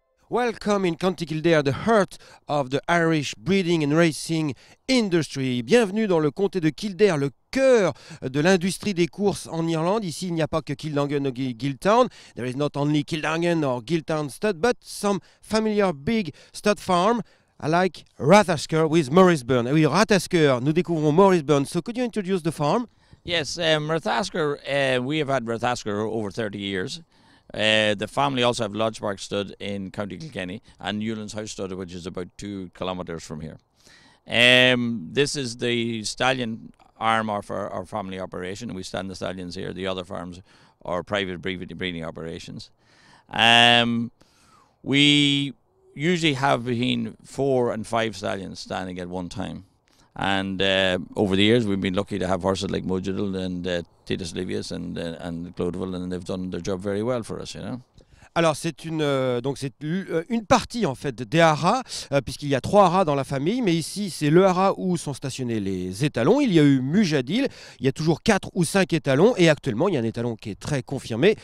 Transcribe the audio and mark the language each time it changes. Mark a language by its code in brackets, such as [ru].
[en] Welcome in County Kildare, the heart of the Irish breeding and racing industry. [fr] Bienvenue dans le comté de Kildare, le cœur de l'industrie des courses en Irlande. Ici, il n'y a pas que [en] Kildangan or Giltown. There is not only Kildangan or Giltown stud, but some familiar big stud farm like Rathasker with Maurice Byrne. [fr] Oui, [en] Rathasker, [fr] nous découvrons [en] Maurice Byrne. So could you introduce the farm? Yes, Rathasker, we have had Rathasker over 30 years. The family also have Lodge Park Stud in County Kilkenny and Newlands House Stud, which is about 2 kilometres from here. This is the stallion arm of our family operation. We stand the stallions here. The other farms are private breeding operations. We usually have between 4 and 5 stallions standing at one time. And over the years, we've been lucky to have horses like Mojadil and Titus Livius and Clodeville, and they've done their job very well for us, you know. [fr] Alors, c'est une partie, en fait, des haras, puisqu'il y a 3 haras dans la famille. Mais ici, c'est le haras où sont stationnés les étalons. Il y a eu Mojadil. Il y a toujours 4 ou 5 étalons. Et actuellement, il y a un étalon qui est très confirmé.